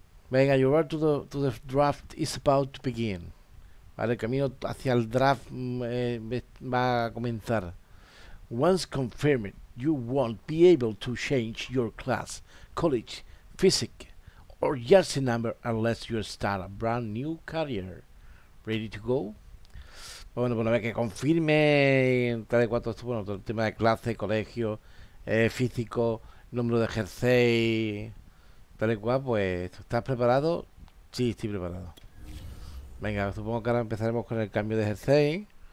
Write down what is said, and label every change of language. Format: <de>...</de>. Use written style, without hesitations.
<es>Venga,</es> <en>you are to the draft is about to begin.</en> <es>Vale, el camino hacia el draft va a comenzar.</es> <en>Once confirmed, you won't be able to change your class, college, physique, or jersey number unless you start a brand new career. Ready to go?</en> <es>Bueno, a ver que confirme tal y cuatro, bueno, todo el tema de clase, colegio, físico, número de jersey, tal y cual, pues, ¿estás preparado? Sí, estoy preparado. Venga, supongo que ahora empezaremos con el cambio de jersey.</es>